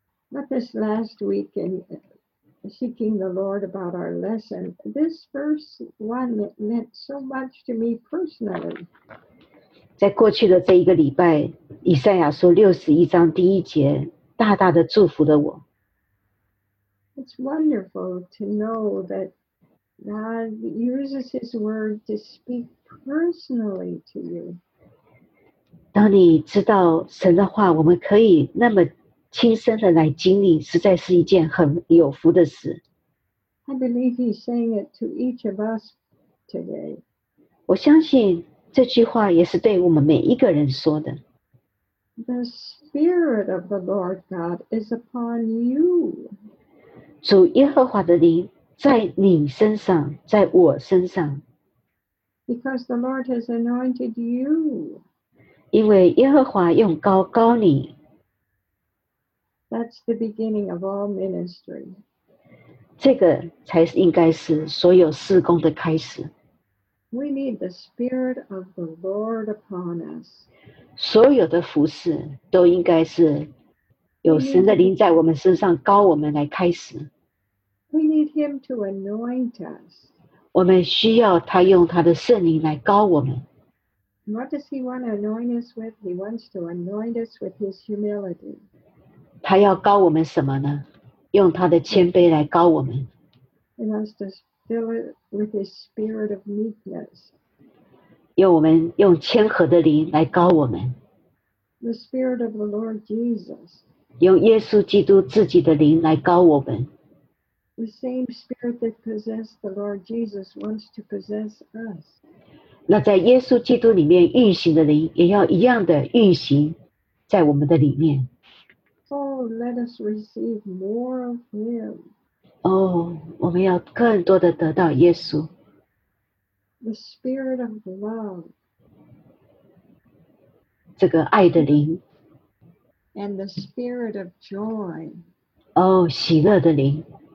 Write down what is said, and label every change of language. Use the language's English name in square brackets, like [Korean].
[English] But this last week in seeking the Lord about our lesson, this verse one meant so much to me personally. [Chinese] 在过去的这一个礼拜，以赛亚书六十一章第一节大大的祝福了我。 [English] It's wonderful to know that God uses His word to speak personally to you. [Chinese] 当你知道神的话，我们可以那么亲身的来经历，实在是一件很有福的事。 [English] I believe He's saying it to each of us today. [Chinese] 我相信这句话也是对我们每一个人说的。 [English] The Spirit of the Lord God is upon you. [Chinese] 主耶和华的灵在你身上，在我身上。 [English] Because the Lord has anointed you. [Chinese] 因为耶和华用膏膏你。 [English] That's the beginning of all ministry. [Chinese] 这个才应该是所有事工的开始。 [English] We need the Spirit of the Lord upon us. [Chinese] 所有的服事都应该是有神的灵在我们身上膏我们来开始。 [English] We need Him to anoint us. [Chinese] 我们需要他用他的圣灵来膏我们。 [English] What does He want to anoint us with? He wants to anoint us with His humility. [Chinese] 他要膏我们什么呢？用他的谦卑来膏我们。 [English] He wants to fill it with His spirit of meekness. [Chinese] 用我们用谦和的灵来膏我们。 [English] The spirit of the Lord Jesus. [Chinese] 用耶稣基督自己的灵来膏我们。 [English] The same spirit that possessed the Lord Jesus wants to possess us. [Chinese] 那在耶稣基督里面运行的灵也要一样的运行在我们的里面。 [English] Oh, let us receive more of Him. [Chinese] 哦，我们要更多的得到耶稣。 [English] The spirit of love. [Chinese] 这个爱的灵。 [English] And the spirit of joy. [Chinese] Oh, 喜乐的灵。